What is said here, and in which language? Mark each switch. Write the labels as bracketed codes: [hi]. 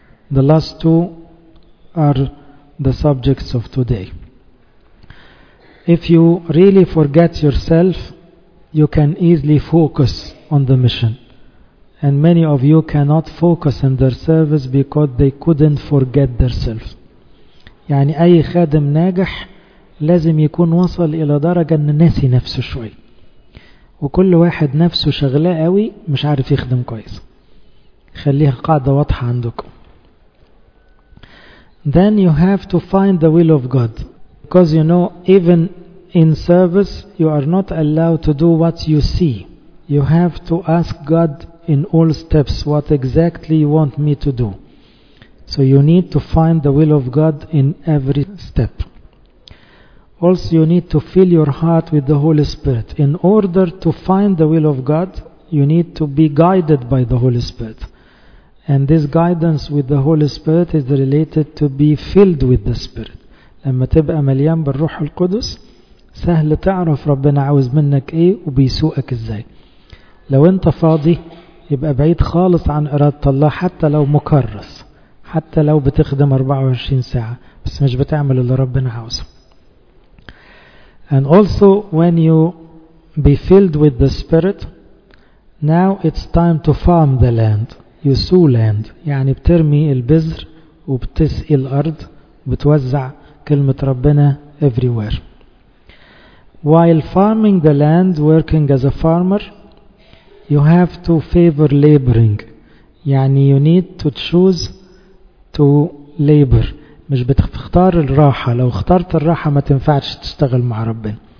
[en] The last two are the subjects of today. If you really forget yourself, you can easily focus on the mission. And many of you cannot focus in their service because they couldn't forget themselves. [ar] يعني أي خادم ناجح لازم يكون وصل إلى درجة أن ناسي نفسه شوي، وكل واحد نفسه شغلاه قوي مش عارف يخدم كويس. خليها قاعدة واضحة عندكم. [en] Then you have to find the will of God. Because you know, even in service, you are not allowed to do what you see. You have to ask God in all steps what exactly you want me to do. So you need to find the will of God in every step. Also, you need to fill your heart with the Holy Spirit. In order to find the will of God, you need to be guided by the Holy Spirit. And this guidance with the Holy Spirit is related to be filled with the Spirit. [ar] لما تبقى مليان بالروح القدس سهل تعرف ربنا عاوز منك ايه وبيسوقك ازاي. لو انت فاضي يبقى بعيد خالص عن إرادة الله، حتى لو مكرس، حتى لو بتخدم 24 ساعة بس مش بتعمل اللي ربنا عاوزه. [en] And also when you be filled with the Spirit, now it's time to farm the land. You sow land. [ar] يعني بترمي البذر وبتسقي الأرض وبتوزع كلمة ربنا everywhere. [en] While farming the land, working as a farmer, you have to favor laboring. يعني you need to choose to labor. [ar] مش بتختار الراحة. لو اخترت الراحة ما تنفعش تشتغل مع ربنا.